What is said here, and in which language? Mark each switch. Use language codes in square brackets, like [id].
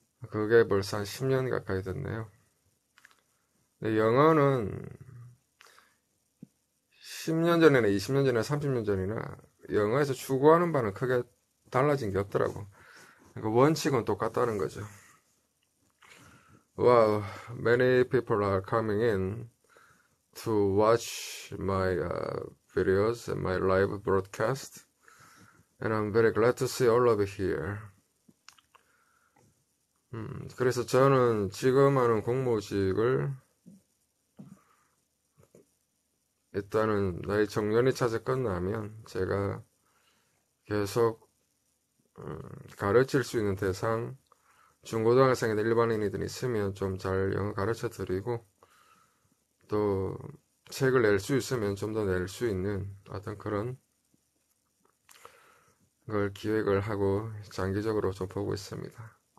[ko] 그게 벌써 한 10년 가까이 됐네요. 영어는 10년 전이나 20년 전이나 30년 전이나 영어에서 추구하는 바는 크게 달라진 게 없더라고. 그러니까 원칙은 똑같다는 거죠. [en] Wow, many people are coming in to watch my videos and my live broadcast. And I'm very glad to see all of you here. [ko] 그래서 저는 지금 하는 공무직을 일단은 나의 정년이 차서 끝나면 제가 계속 가르칠 수 있는 대상 중고등학생이든 일반인이든 있으면 좀 잘 영어 가르쳐 드리고 또 책을 낼 수 있으면 좀 더 낼 수 있는 어떤 그런 걸 기획을 하고 장기적으로 좀 보고 있습니다.